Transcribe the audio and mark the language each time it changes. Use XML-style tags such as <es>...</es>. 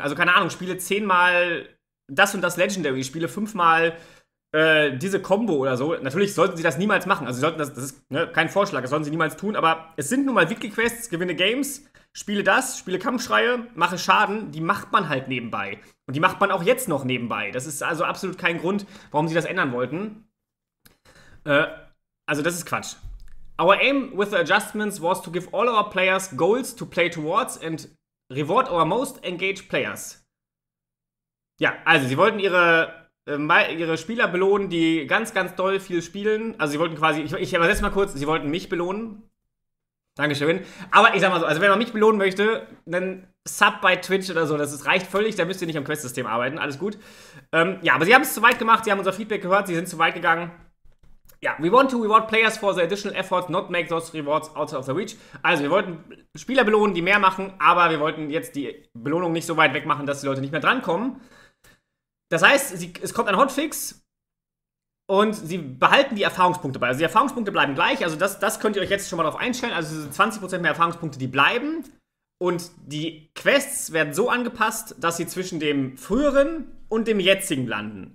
<de>Also keine Ahnung, spiele 10 Mal das und das Legendary, spiele 5 Mal diese Combo oder so, natürlich sollten sie das niemals machen. Also sie sollten das ist ne, kein Vorschlag, das sollen sie niemals tun, aber es sind nun mal Wiki-Quests, gewinne Games, spiele das, spiele Kampfschreie, mache Schaden, die macht man halt nebenbei. Und die macht man auch jetzt noch nebenbei. Das ist also absolut kein Grund, warum sie das ändern wollten. Also das ist Quatsch.</de> <en>Our aim with the adjustments was to give all our players goals to play towards and reward our most engaged players.</en> <de>Ja, also sie wollten ihre Spieler belohnen, die ganz, ganz doll viel spielen. Also sie wollten quasi, ich übersetze mal kurz, sie wollten mich belohnen. Dankeschön. Aber ich sag mal so, also wenn man mich belohnen möchte, dann Sub bei Twitch oder so, das ist, reicht völlig, da müsst ihr nicht am Quest-System arbeiten, alles gut. Ja, aber sie haben es zu weit gemacht, sie haben unser Feedback gehört, sie sind zu weit gegangen.</de> <en>Ja, we want to reward players for the additional effort, not make those rewards out of the reach.</en> <de>Also wir wollten Spieler belohnen, die mehr machen, aber wir wollten jetzt die Belohnung nicht so weit wegmachen, dass die Leute nicht mehr drankommen. Das heißt, es kommt ein Hotfix und sie behalten die Erfahrungspunkte bei. Also die Erfahrungspunkte bleiben gleich, also das könnt ihr euch jetzt schon mal drauf einstellen. Also 20% mehr Erfahrungspunkte, die bleiben. Und die Quests werden so angepasst, dass sie zwischen dem früheren und dem jetzigen landen.</de>